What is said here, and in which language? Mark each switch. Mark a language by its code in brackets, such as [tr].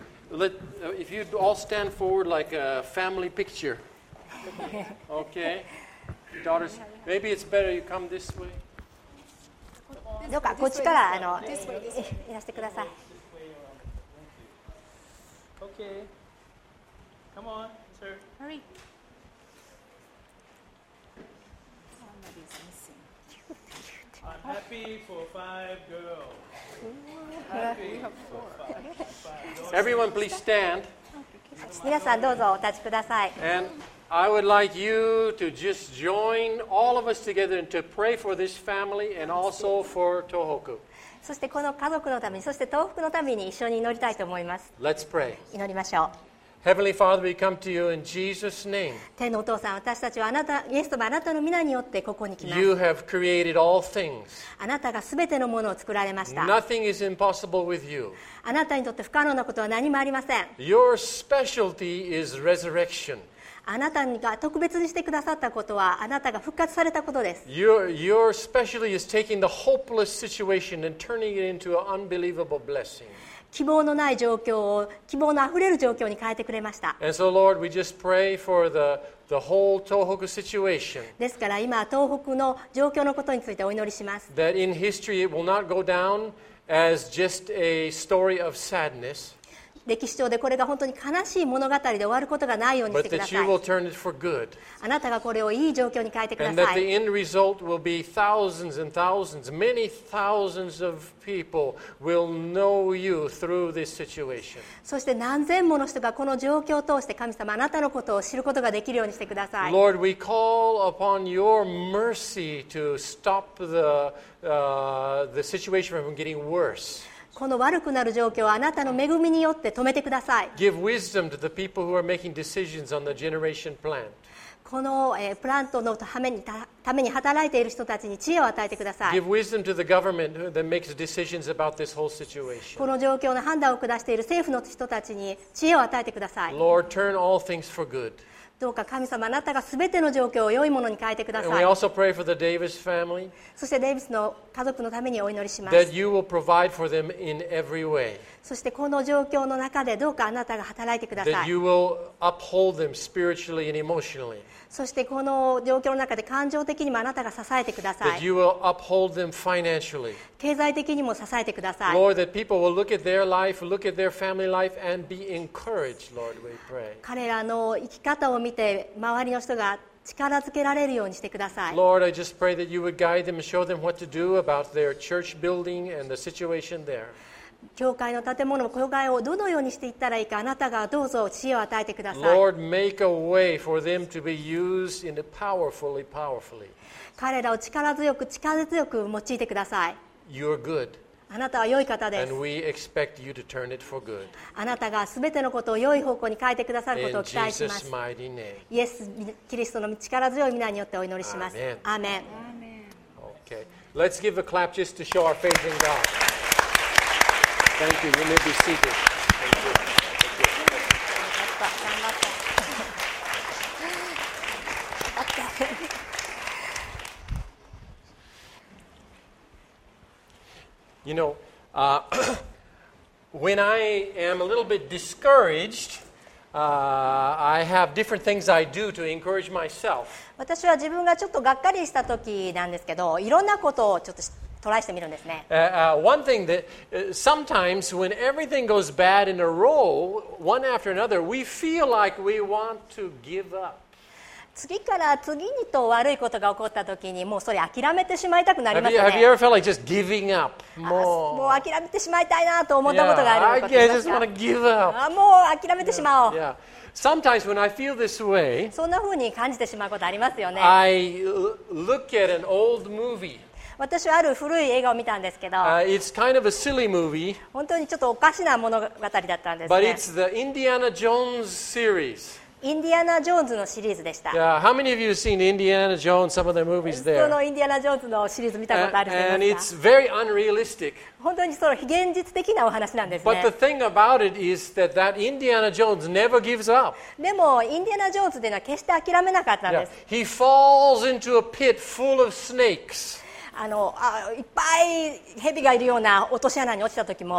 [en] Let, if you'd all stand forward like a family picture. Okay. Daughters, maybe it's better you come this way. [ja] どうかこっちからあのいらしてください。 [en] OK Come on, sir. Hurry. I'm happy for five girls. Everyone please stand. [ja] 皆さんどうぞお立ちください。 [en] And I would like you to just join all of us together and to pray for this family and also for Tohoku. [ja] そしてこの家族のために、そして東北のために一緒に祈りたいと思います。 [en] Let's pray. [ja] 祈りましょう。 [en] Heavenly Father, we come to you in Jesus' name. [ja] 天のお父さん、私たちはあなた、イエス様、あなたの皆によってここに来ます。 [en] You have created all things. [ja] あなたがすべてのものを作られました。 [en] Nothing is impossible with you. [ja] あなたにとって不可能なことは何もありません。 [en] Your specialty is resurrection. [ja] あなたが特別にしてくださったことはあなたが復活されたことです。 [en] Your specialty is taking the hopeless situation and turning it into an unbelievable blessing. [ja] 希望のない状況を希望のあふれる状況に変えてくれました。 [en] And so Lord, we just pray for the whole Tohoku situation. [ja] ですから今東北の状況のことについてお祈りします。 [en] That in history it will not go down as just a story of sadness. [ja] 歴史上でこれが本当に悲しい物語で終わることがないようにしてください。あなたがこれをいい状況に変えてください。 [en] And that the end thousands and thousands, many thousands of people will know you through this situation. [ja] そして何千もの人がこの状況を通して神様あなたのことを知ることができるようにしてください。 [en] Lord, we call upon your mercy to stop the situation from getting worse. [ja] この悪くなる状況をあなたの恵みによって止めてください。 [en] Give wisdom to the people who are making decisions on the generation plan. [ja] このプラントのために働いている人たちに知恵を与えてください。 [en] Give wisdom to the government that makes decisions about this whole situation. [ja] この状況の判断を下している政府の人たちに知恵を与えてください。 [en] Lord, turn all things for good. [ja] どうか神様あなたがすべての状況を良いものに変えてください。 [en] And we also pray for the Davis family. [ja] そしてデイビスの家族のためにお祈りします。 [en] That you will provide for them in every way. [ja] そしてこの状況の中でどうかあなたが働いてください。 [en] That you will uphold them spiritually and emotionally. [ja] そしてこの状況の中で感情的にもあなたが支えてください。 [en] That you will uphold them financially. [ja] 経済的にも支えてください。 [en] Lord, that people will look at their life, look at their family life, and be encouraged. Lord, we pray. [ja] 彼らの生き方を見て周りの人が力づけられるようにしてください。 [en] Lord, I just pray that you would guide them and show them what to do about their church building and the situation there. [ja] 教会の建物、教会をどのようにしていったらいいか、あなたがどうぞ知恵を与えてください。 [en] Lord, make a way for them to be used in a powerfully, powerfully. [ja] 彼らを力強く用いてください。 [en] You're good. [ja] あなたは良い方です。 [en] And we expect you to turn it for good. [ja] あなたがすべてのことを良い方向に変えてくださることを期待します。 [en] In Jesus' mighty name. [ja] イエス・キリストの力強い名によってお祈りします。アーメン。 [en] Okay. Let's give a clap just to show our faith in God. Thank you. You may be seated. Thank you. Thank you. You know, when I am a little bit discouraged, I have different things I do to encourage myself. [ja] 私は自分がちょっとがっかりした時なんですけど、いろんなことをちょっと。 [en] One thing that sometimes when everything goes bad in a row, one after another, we feel like we want to give up. [ja] 次から次にと悪いことが起こった時にもうそれ諦めてしまいたくなりますね。 [en] Have you ever felt like just giving up? [ja] もう諦めてしまいたいなと思ったことがあるのか。 [en] Yeah, I just want to give up. [ja] もう諦めてしまおう。 [en] Yeah, yeah. Sometimes when I feel this way, [ja] そんな風に感じてしまうことありますよね。 [en] I look at an old movie. [ja] 私はある古い映画を見たんですけど、 [en] it's kind of a silly movie, [ja] 本当にちょっとおかしな物語だったんですね。 [en] But it's the Indiana Jones series. [ja] インディアナ・ジョーンズのシリーズでした。 [en] Yeah, how many of you have seen Indiana Jones, some of their movies there? [ja] 普通のインディアナ・ジョーンズのシリーズ見たことあるんですか？ [en] And it's very unrealistic. [ja] 本当にその非現実的なお話なんですね。 [en] But the thing about it is that that Indiana Jones never gives up. [ja] でもインディアナ・ジョーンズというのは決して諦めなかったんです。 [en] Yeah, he falls into a pit full of snakes. [ja] いっぱい蛇がいるような落とし穴に落ちた時も、